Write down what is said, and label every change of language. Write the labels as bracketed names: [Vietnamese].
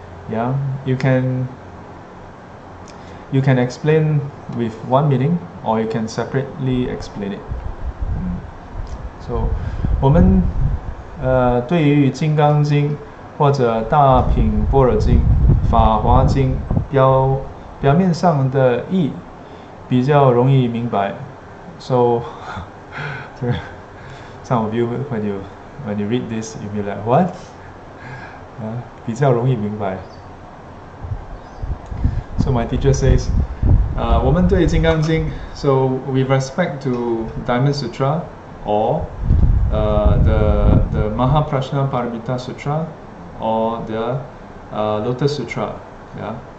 [English] Yeah, you can explain with one meaning, or you can separately explain it. [Chinese] So, 我们对于《金刚经》或者《大品般若经》《法华经》表面上的意比较容易明白。 [English] So, some of you, when you read this, you'll be like, what? [Chinese] 比较容易明白。 [English] So my teacher says, [Chinese] 我们对《金刚经》, [English] so with respect to Diamond Sutra, or the Mahaprajna Paramita Sutra, or the Lotus Sutra, yeah.